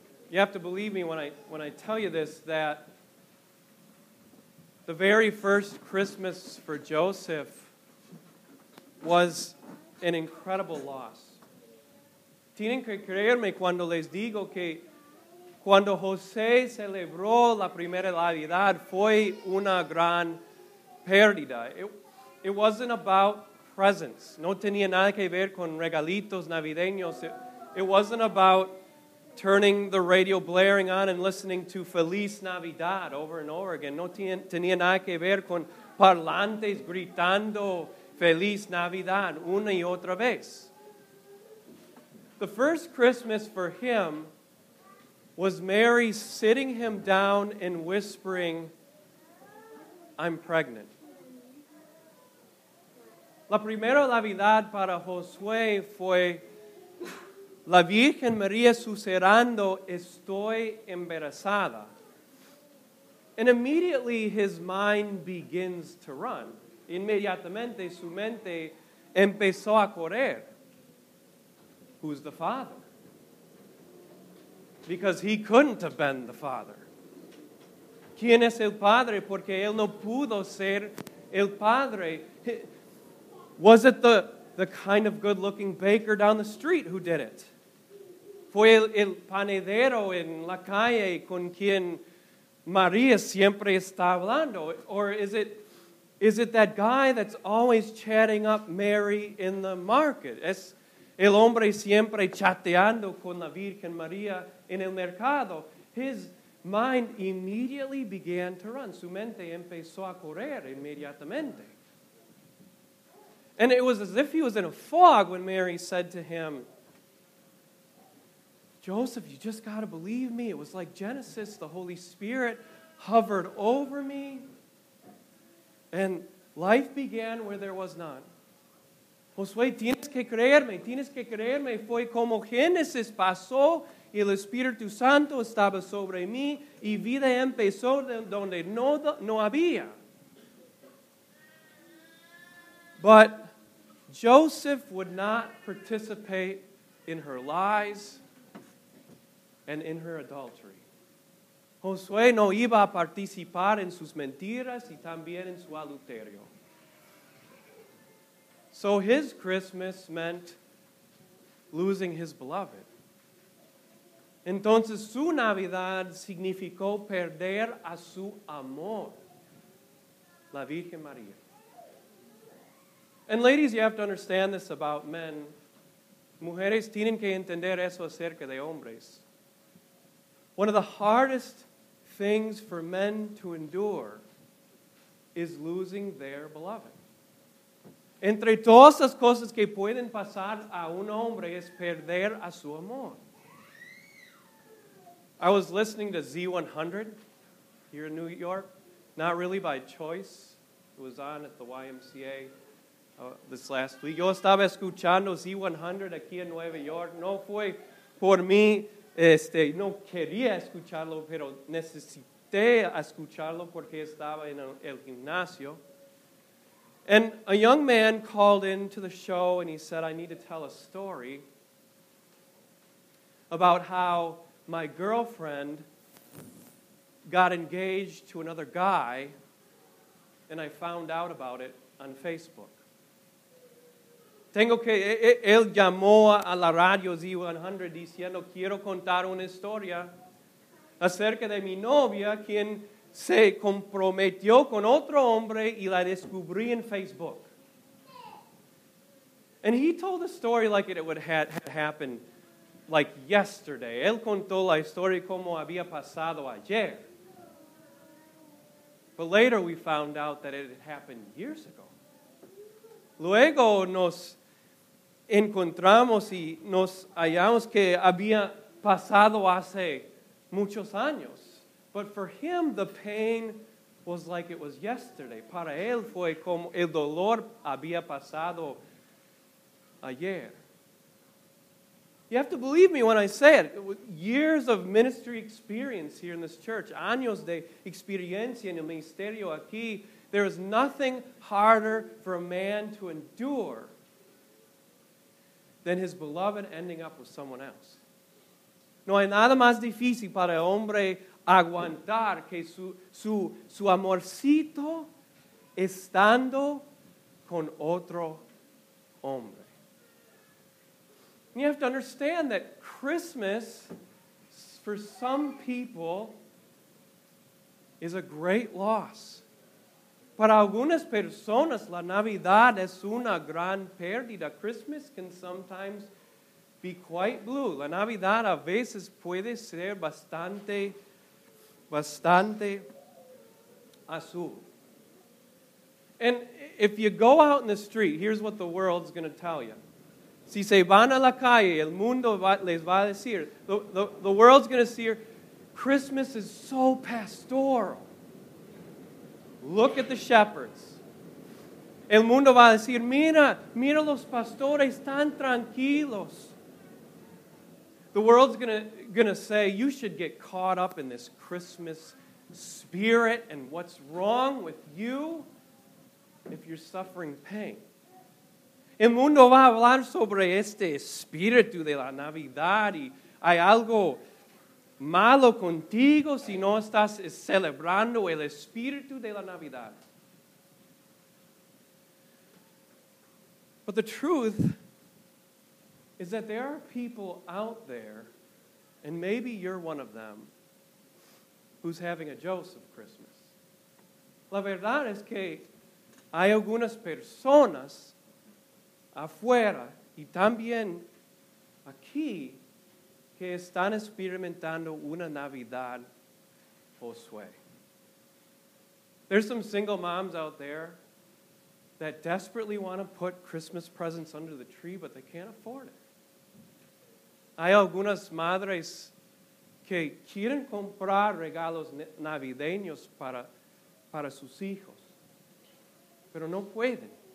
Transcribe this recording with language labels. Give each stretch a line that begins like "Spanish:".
English: You have to believe me when I tell you this, that the very first Christmas for Joseph was an incredible loss.
Spanish: Tienen que creerme cuando les digo que cuando José celebró la primera Navidad fue una gran pérdida.
English: It wasn't about presents.
Spanish: No tenía nada que ver con regalitos navideños.
English: It wasn't about turning the radio blaring on and listening to Feliz Navidad over and over again.
Spanish: No tenía nada que ver con parlantes gritando Feliz Navidad una y otra vez.
English: The first Christmas for him was Mary sitting him down and whispering, "I'm pregnant."
Spanish: La primera Navidad para Josué fue la Virgen María susurrando, "Estoy embarazada."
English: And immediately his mind begins to run.
Spanish: Inmediatamente su mente empezó a correr.
English: Who's the father? Because he couldn't have been the father.
Spanish: ¿Quién es el padre? Porque él no pudo ser el padre.
English: Was it the kind of good-looking baker down the street who did it?
Spanish: Fue el panadero en la calle con quien María siempre está hablando.
English: Or is it that guy that's always chatting up Mary in the market?
Spanish: Es el hombre siempre chateando con la Virgen María en el mercado.
English: His mind immediately began to run.
Spanish: Su mente empezó a correr inmediatamente.
English: And it was as if he was in a fog when Mary said to him, "Joseph, you just got to believe me. It was like Genesis. The Holy Spirit hovered over me. And life began where there was none."
Spanish: Josué, tienes que creerme. Tienes que creerme. Fue como Génesis pasó. Y el Espíritu Santo estaba sobre mí. Y vida empezó donde no había.
English: But Joseph would not participate in her lies and in her adultery.
Spanish: Josué no iba a participar en sus mentiras y también en su adulterio.
English: So his Christmas meant losing his beloved.
Spanish: Entonces su Navidad significó perder a su amor, la Virgen María.
English: And ladies, you have to understand this about men.
Spanish: Mujeres tienen que entender eso acerca de hombres.
English: One of the hardest things for men to endure is losing their beloved.
Spanish: Entre todas las cosas que pueden pasar a un hombre es perder a su amor.
English: I was listening to Z100 here in New York, not really by choice. It was on at the YMCA this last week.
Spanish: Yo estaba escuchando Z100 aquí en Nueva York. No fue por mí. No quería escucharlo, pero necesité escucharlo porque estaba en el gimnasio.
English: And a young man called in to the show and he said, "I need to tell a story about how my girlfriend got engaged to another guy and I found out about it on Facebook."
Spanish: Tengo que, él llamó a la radio Z100 diciendo, "Quiero contar una historia acerca de mi novia quien se comprometió con otro hombre y la descubrí en Facebook."
English: And he told the story like it would have happened like yesterday.
Spanish: Él contó la historia como había pasado ayer.
English: But later we found out that it had happened years ago.
Spanish: Luego nos encontramos y nos hallamos que había pasado hace muchos años.
English: But for him, the pain was like it was yesterday.
Spanish: Para él fue como el dolor había pasado ayer.
English: You have to believe me when I say it. Years of ministry experience here in this church,
Spanish: años de experiencia en el ministerio aquí,
English: there is nothing harder for a man to endure than his beloved ending up with someone else.
Spanish: No hay nada más difícil para el hombre aguantar que su amorcito estando con otro hombre.
English: And you have to understand that Christmas, for some people, is a great loss.
Spanish: Para algunas personas, la Navidad es una gran pérdida.
English: Christmas can sometimes be quite blue.
Spanish: La Navidad a veces puede ser bastante, bastante azul.
English: And if you go out in the street, here's what the world's going to tell you.
Spanish: Si se van a la calle, el mundo les va a decir.
English: The world's going to say, Christmas is so pastoral. Look at the shepherds.
Spanish: El mundo va a decir, mira, mira los pastores tan tranquilos.
English: The world's gonna say, you should get caught up in this Christmas spirit and what's wrong with you if you're suffering pain.
Spanish: El mundo va a hablar sobre este espíritu de la Navidad y hay algo malo contigo si no estás celebrando el espíritu de la Navidad.
English: But the truth is that there are people out there, and maybe you're one of them, who's having a Joseph Christmas.
Spanish: La verdad es que hay algunas personas afuera y también aquí que están experimentando una Navidad Josué.
English: There's some single moms out there that desperately want to put Christmas presents under the tree, but they can't afford it.
Spanish: Hay algunas madres que quieren comprar regalos navideños para sus hijos, pero no pueden.